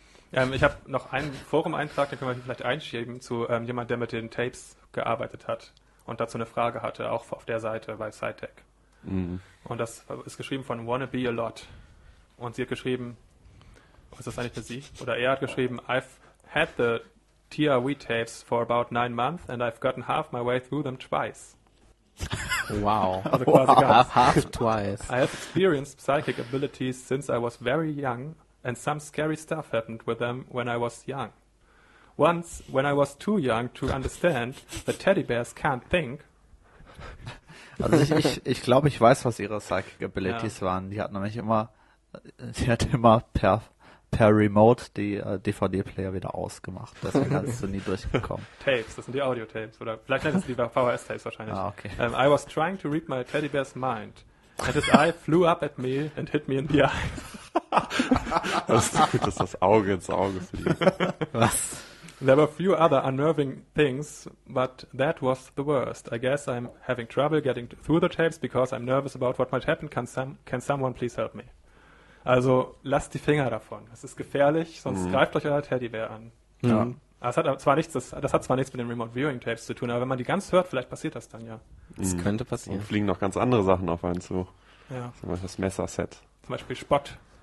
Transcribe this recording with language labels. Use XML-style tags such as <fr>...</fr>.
<de>Ich habe noch einen Forum-Eintrag, den können wir vielleicht einschieben, zu jemand, der mit den Tapes gearbeitet hat und dazu eine Frage hatte, auch auf der Seite bei SciTech. Mhm. Und das ist geschrieben von Wanna Be A Lot. Und sie hat geschrieben, ist das eigentlich für sie? Oder er hat geschrieben,</de> <en>I've had the TRV tapes for about 9 months and I've gotten half my way through them twice. Wow.</en> <de>Also quasi</de> <en>half twice. I have experienced psychic abilities since I was very young and some scary stuff happened with them when I was young. Once, when I was too young to understand that teddy bears can't think.</en> <de>Also ich glaube, ich weiß, was ihre</de> <en>psychic abilities</en> <de>waren. Die hat nämlich immer, per Remote die DVD-Player wieder ausgemacht. Deswegen hast du nie durchgekommen. Tapes, das sind die Audio-Tapes. Oder vielleicht nennen sie die VHS-Tapes wahrscheinlich. Ah, okay.</de> <en>I was trying to read my teddy bear's mind. And his eye flew up at me and hit me in the eye.</en> <de>Das ist Auge ins Auge für die. Was?</de> <en>There were a few other unnerving things, but that was the worst. I guess I'm having trouble getting through the tapes because I'm nervous about what might happen. Can someone please help me?</en> <de>Also lasst die Finger davon. Es ist gefährlich, sonst greift euch euer Teddybär an. Mhm. Ja. Das hat zwar nichts mit den Remote Viewing Tapes zu tun, aber wenn man die ganz hört, vielleicht passiert das dann ja. Das könnte passieren. Und fliegen noch ganz andere Sachen auf einen zu. Ja. Zum Beispiel das Messerset. Zum Beispiel Spott.</de>